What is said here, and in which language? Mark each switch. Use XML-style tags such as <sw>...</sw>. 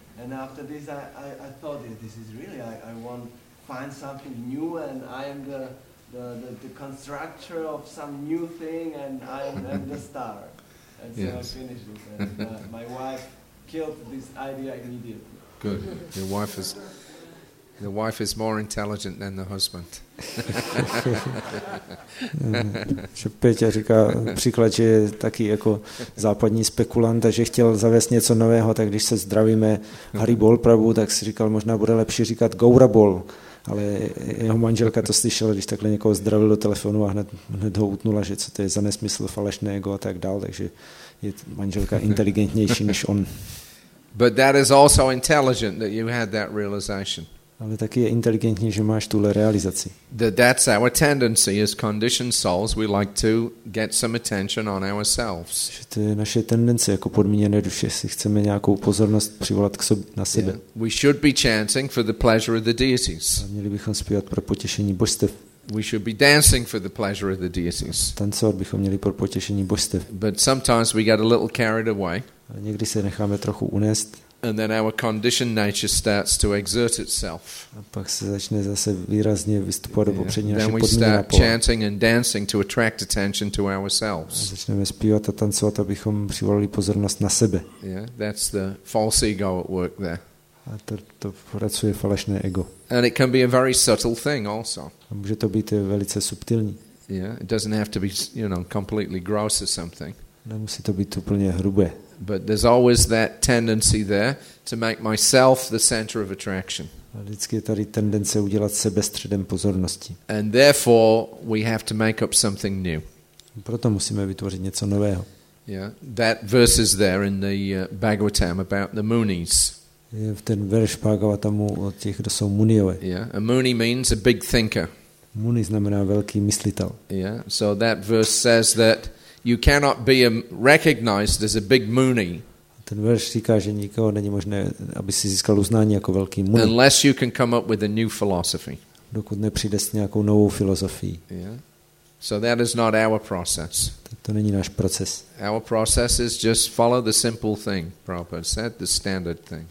<en>And after this, I thought, yeah, this is really, I want to find something new, and I am the constructor of some new thing, and I am the star. And so yes. I finished it. And my wife killed this idea immediately. Good. Your wife is more intelligent than the husband.</en> <cs>Peťa říká příklad, že je taky jako západní spekulant, že chtěl zavést něco nového, tak když se zdravíme Hari Bol Prabhu, tak si říkal, možná bude lepší říkat Gaura Bol, ale jeho manželka to slyšela, když takhle někoho zdravil do telefonu a hned ho utnula, že co to je za nesmysl, falešné ego a tak dál, takže je manželka inteligentnější než on.</cs> <en>But that is also intelligent that you had that realization.</en> <cs>Ale taky je inteligentní, že máš tuhle realizaci.</cs> <en>That's our tendency as conditioned souls, we like to get some attention on ourselves.</en> <cs>Že to je naše tendence jako podmíněné duše, si chceme nějakou pozornost přivolat k sobě, na sebe.</cs> <en>Yeah. We should be chanting for the pleasure of the deities.</en> <cs>A měli bychom zpívat pro potěšení božstev.</cs> <en>We should be dancing for the pleasure of the deities.</en> <cs>Tancovat bychom měli pro potěšení božstev.</cs> <en>But sometimes we get a little carried away.</en> <cs>A někdy se necháme trochu unést.</cs> <en>And then our conditioned nature starts to exert itself.</en> <cs>A pak se začne zase výrazně vystupovat do popředí naše podmínky.</cs> <en>Then we start chanting and dancing to attract attention to ourselves.</en> <cs>A začneme zpívat a tancovat, abychom přivolali pozornost na sebe.</cs> <en>Yeah, that's the false ego at work there.</en> <cs>A to pracuje falešné ego.</cs> <en>And it can be a very subtle thing also.</en> <cs>A může to být velice subtilní.</cs> <en>Yeah, it doesn't have to be, you know, completely gross or something.</en> <cs>Nemusí to být úplně hrubé.</cs> <en>But there's always that tendency there to make myself the center of attraction.</en> <cs>Vždycky je tady tendence udělat sebe středem pozornosti.</cs> <en>And therefore we have to make up something new.</en> <cs>Proto musíme vytvořit něco nového.</cs> <en>Yeah, that verse is there in the Bhagavatam about the munis.</en> <cs>Je v ten verš Bhagavatamu o těch, kdo jsou muniové.</cs> <en>Yeah, a muni means a big thinker.</en> <cs>Muni znamená velký myslitel.</cs> <en>Yeah, so that verse says that you cannot be recognized as a big muni.</en> <cs>Ten verš říká, že nikoho není možné, aby si získal uznání jako velký muni.</cs> <en>Unless you can come up with a new philosophy.</en> <cs>Dokud nepřijde s nějakou novou filozofií.</cs> <en>Yeah. So that is not our process.</en> <cs>To není náš proces.</cs> <en>Our process is just follow the simple thing, Prabhupada said, the standard thing.</en>